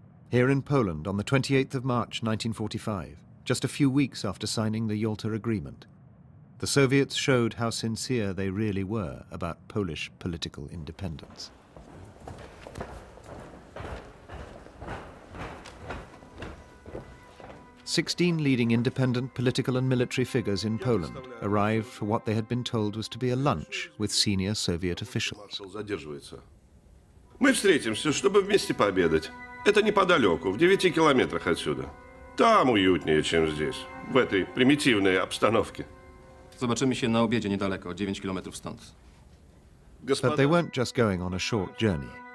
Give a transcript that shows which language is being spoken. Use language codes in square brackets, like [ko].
[en] Here in Poland, on the 28th of March 1945, just a few weeks after signing the Yalta Agreement, the Soviets showed how sincere they really were about Polish political independence. 16 leading independent political and military figures in Poland arrived for what they had been told was to be a lunch with senior Soviet officials. [ru] Мы встретимся, чтобы вместе пообедать. Это неподалеку, в 9 километрах отсюда. Там уютнее, чем здесь, в этой примитивной обстановке. [pl] Zobaczymy się na obiedzie niedaleko, 9 kilometrów stąd. [en] But they weren't just going on a short journey.